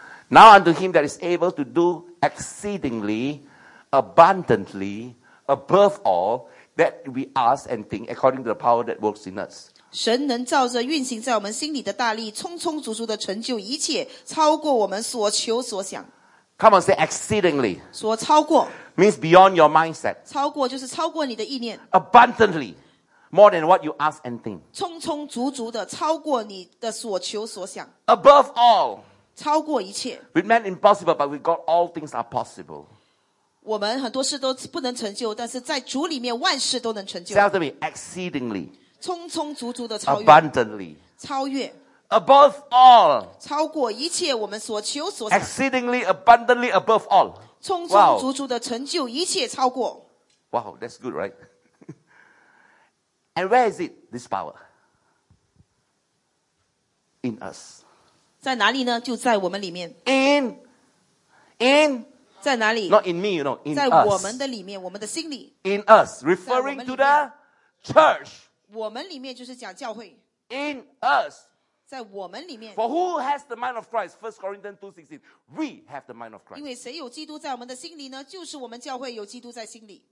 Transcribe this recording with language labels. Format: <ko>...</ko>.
<en>Now unto him that is able to do exceedingly, abundantly, above all that we ask and think, according to the power that works in us.</en> <zh>神能照着运行在我们心里的大力，充充足足的成就一切，超过我们所求所想。</zh> <en>Come on, say exceedingly.</en> <zh>说超过</zh> <en>means beyond your mindset.</en> <zh>超过就是超过你的意念。</zh> <en>Abundantly, more than what you ask and think.</en> <zh>充充足足的超过你的所求所想。</zh> <en>Above all,</en> <zh>超过一切。</zh> <en>With man impossible, but with God all things are possible.</en> <zh>我们很多事都不能成就，但是在主里面万事都能成就。</zh> <en>Tell me exceedingly.</en> <zh>充充足足的超越</zh> <en>abundantly</en> <zh>超越</zh> <en>above all</en> <zh>超过一切我们所求所想</zh> <en>exceedingly abundantly above all</en> <zh>充充足足的成就一切超过</zh> <en>wow that's good right and where is it this power in us</en> <zh>在哪里呢就在我们里面</zh> <en>in</en> <zh>在哪里</zh> <en>not in me you know in</en> <zh>在</zh> <en>us</en> <zh>在我们的里面我们的心里</zh> <en>in us referring to the church</en> <zh>我们里面就是讲教会</zh> <en>In us</en> <zh>在我们里面</zh> <en>For who has the mind of Christ 1 Corinthians 2:16 We have the mind of Christ</en> <zh>因为谁有基督在我们的心里呢就是我们教会有基督在心里</zh>